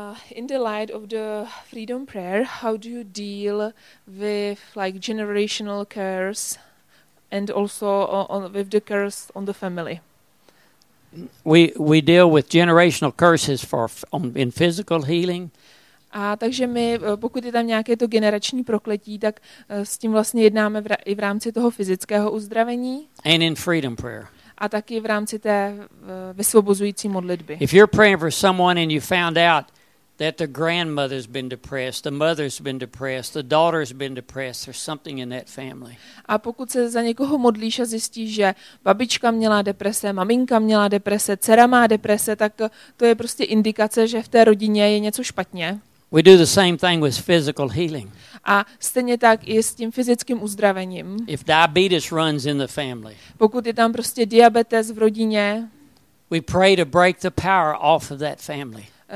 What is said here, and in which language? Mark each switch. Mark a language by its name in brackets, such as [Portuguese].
[English] In the light of the freedom prayer, how do you deal with like generational curse and also with the curse on the family? We deal with generational curses in physical healing. [Czech] A takže my, pokud je tam nějaké to generační prokletí, tak s tím vlastně jednáme i v rámci toho fyzického uzdravení. [English] And in freedom prayer. [Czech] A taky v rámci té vysvobozující modlitby. [English] If you're praying for someone and you found out that the grandmother's been depressed, the mother's been depressed, the daughter's been depressed, there's something in that family. [Czech] A pokud se za někoho modlíš a zjistíš, že babička měla deprese, maminka měla deprese, dcera má deprese, tak to je prostě indikace, že v té rodině je něco špatně. [English] We do the same thing with physical healing. [Czech] A stejně tak i s tím fyzickým uzdravením. [English] If diabetes runs in the family. [Czech] Pokud je tam prostě diabetes v rodině. [English] We pray to break the power off of that family.